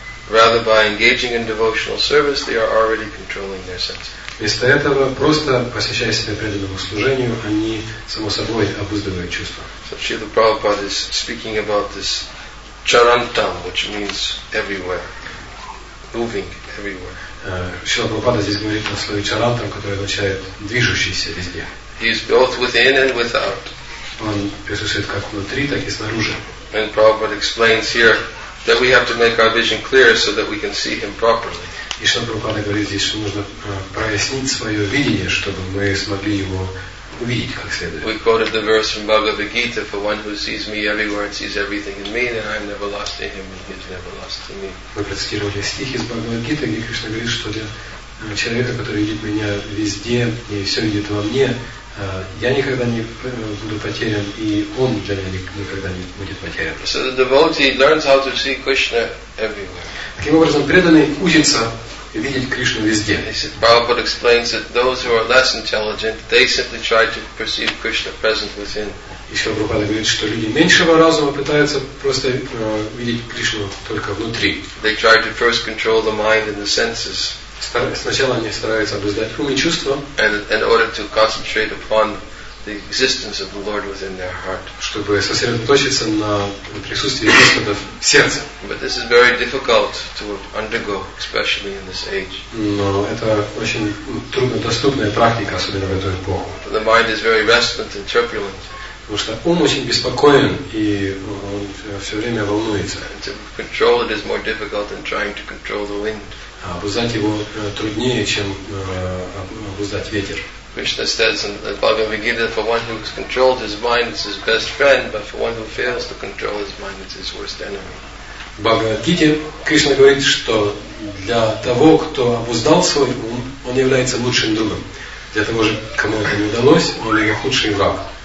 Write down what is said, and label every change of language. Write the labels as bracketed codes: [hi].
[en] Rather, by engaging in devotional service, they are already controlling their senses. [ru] Вместо этого, просто посвящая себя преданному служению, они само собой обуздывают чувства. [en] So Srila Prabhupada is speaking about this charantam, which means everywhere, moving everywhere. [ru] Шрила Прабхупада здесь говорит на слове чарантам, которое означает движущийся везде. [en] He is both within and without. [ru] Он присутствует как внутри, так и снаружи. [en] And Prabhupada explains here that we have to make our vision clear so that we can see him properly. [ru] И Шрила Прабхупада говорит здесь, что нужно прояснить свое видение, чтобы мы смогли его увидеть как следует. [en] We quoted the verse from Bhagavad Gita: "For one who sees me everywhere and sees everything in me, then I am never lost to him, and he is never lost to me." [ru] Мы процитировали стих из Бхагавад Гиты, где Кришна говорит, что для человека, который видит меня везде и все видит во мне, я никогда не буду потерян, и он для меня никогда не будет потерян. [en] So the devotee learns how to see Krishna everywhere. [ru] Таким образом, преданный учится видеть Кришну везде. [en] Prabhupada explains that those who are less intelligent, they simply try to perceive Krishna present within. [ru] Ещё Прабхупада говорит, что люди меньшего разума пытаются просто видеть Кришну только внутри. [en] They try to first control the mind and the senses. [ru] Сначала они стараются обуздать ум и чувства, [en] and in order to concentrate upon the existence of the Lord within their heart. [ru] Чтобы сосредоточиться на присутствии Господа в сердце. [en] But this is very difficult to undergo, especially in this age. [ru] Но это очень труднодоступная практика, особенно в эту эпоху. [en] The mind is very restless and turbulent. [ru] Потому что ум очень беспокоен, и он все время волнуется. [en] To control it is more difficult than trying to control the wind. [ru] А обуздать его труднее, чем обуздать ветер. [en] Krishna says in the Bhagavad Gita, for one who has controlled his mind, it's his best friend, but for one who fails to control his mind, it's his worst enemy. [ru] В Бхагавад Гите Кришна говорит, что для того, кто обуздал свой ум, он является лучшим другом. Для того же, кому это не удалось, он его худший враг.